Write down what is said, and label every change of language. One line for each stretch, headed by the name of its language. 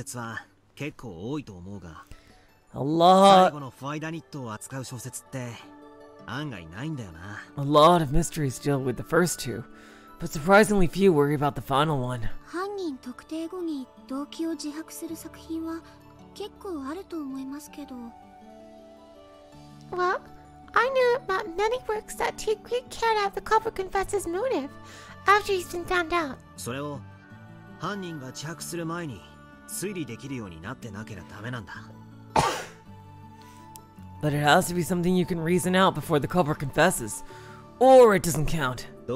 Japanese: この前者2つを扱う小説は結構多いと思うが
English: A lot!
Japanese: 最後のファイダニットを扱う小説って案外ないんだよな
English: A lot of mysteries deal with the first two, but surprisingly few worry about the final one.
Japanese: 犯人特定後に動機を自白する作品は結構あると思いますけど
English: Well, I knew about many works that take great care to have the culprit confess his motive after he's been found out.
Japanese: それを 犯人が自白する前に推理できるようになってなければダメなんだ
English: But it has to be something you can reason out before the culprit confesses, or it doesn't count.